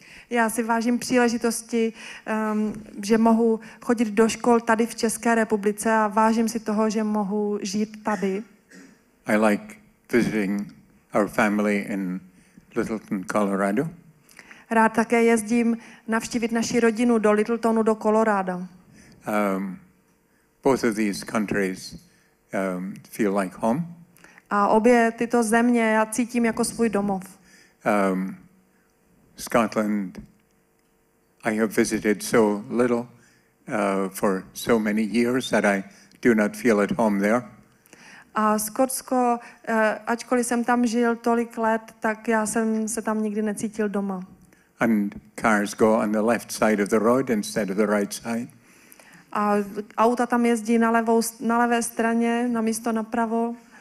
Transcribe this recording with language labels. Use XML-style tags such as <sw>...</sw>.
<cs>Já si vážím příležitosti, že mohu chodit do škol tady v České republice a vážím si toho, že mohu žít tady.</cs> <en>I like visiting our family in Littleton, Colorado.</en> <cs>Rád také jezdím navštívit naši rodinu do Littletonu, do Colorado.</cs> <en>Both of these countries feel like home.</en> <cs>A obě tyto země já cítím jako svůj domov.</cs> <en>Scotland, I have visited so little for so many years that I do not feel at home there.</en> <cs>A Skotsko, ačkoliv jsem tam žil tolik let, tak já jsem se tam nikdy necítil doma.</cs> <en>And cars go on the left side of the road instead of the right side.</en> <cs>A auta tam jezdí na levou, na levé straně, na místo na pravo.</cs>